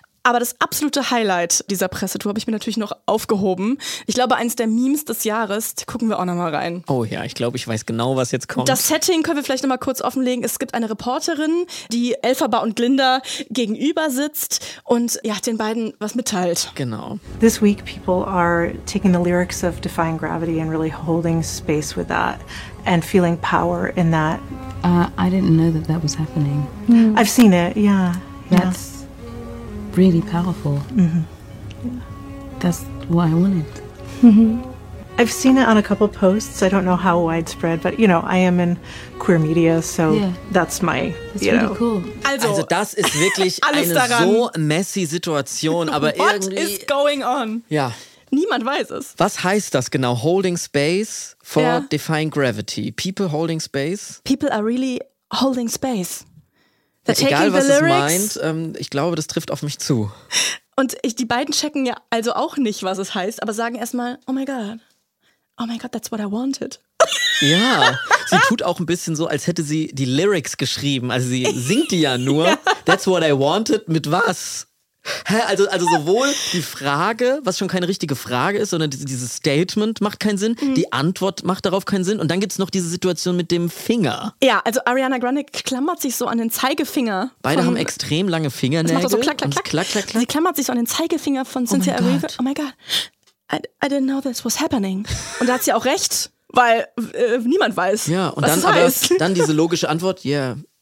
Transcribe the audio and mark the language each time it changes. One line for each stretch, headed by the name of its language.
German: Aber das absolute Highlight dieser Pressetour habe ich mir natürlich noch aufgehoben. Ich glaube, eins der Memes des Jahres, gucken wir auch nochmal rein. Oh ja, ich glaube, ich weiß genau, was jetzt kommt. Das Setting können wir vielleicht nochmal kurz offenlegen. Es gibt eine Reporterin, die Elphaba und Glinda gegenüber sitzt und ja, den beiden was mitteilt. Genau.
English: This week people are taking the lyrics of Defying Gravity and really holding space with that and feeling power in that. I didn't know that that was happening. I've seen it, yeah. That's really powerful. Mm-hmm. That's what I wanted. Mm-hmm. I've seen it on a couple posts. I don't know how widespread, but, you know, I am in queer media, so yeah. That's my, that's you really know. Cool.
German: Also, das ist wirklich eine daran.
English: So messy
German: Situation, aber
English: what
German: irgendwie...
English: What is going on?
German: Ja. Niemand weiß es. Was heißt das genau?
English: Holding space for
German: ja. Defying gravity.
English: People holding space? People are really holding space.
German: Ja, egal, was es meint, ich glaube, das trifft auf mich zu. Und die beiden checken ja also auch nicht, was es heißt, aber sagen erstmal,
English: oh my God, that's what I wanted.
German: Ja, sie tut auch ein bisschen so, als hätte sie die Lyrics geschrieben, also sie singt die ja nur, ja.
English: That's what I wanted,
German: mit was? Hä? Also sowohl die Frage, was schon keine richtige Frage ist, sondern dieses Statement macht keinen Sinn, mhm. Die Antwort macht darauf keinen Sinn und dann gibt's noch diese Situation mit dem Finger. Ja, also Ariana Grande klammert sich so an den Zeigefinger. Beide haben extrem lange Fingernägel. Das macht so klack, klack, klack. Klack, klack, klack. Sie klammert sich so an den Zeigefinger von Cynthia Erivo.
English: Oh my God, I didn't know this was happening.
German: Und da hat sie auch recht, weil niemand weiß, ja, und was dann, es aber, heißt. Dann diese logische Antwort, yeah.